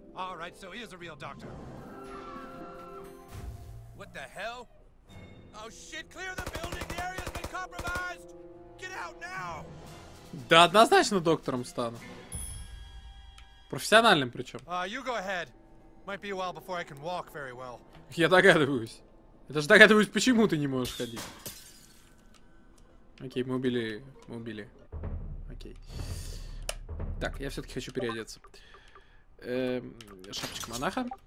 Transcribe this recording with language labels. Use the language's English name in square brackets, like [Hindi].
[English] All right, so he is a real doctor. What the hell? Oh shit, clear the building. The area's been compromised. Get out now. [Russian] Да однозначно доктором стану. Профессиональным причём. [English] You go ahead. Might be a while before I can walk very well. [Russian] Я догадываюсь. Я даже догадываюсь, почему ты не можешь ходить. Окей, мы убили. Мы убили. Окей. Так, я все-таки хочу переодеться. Шапочка монаха.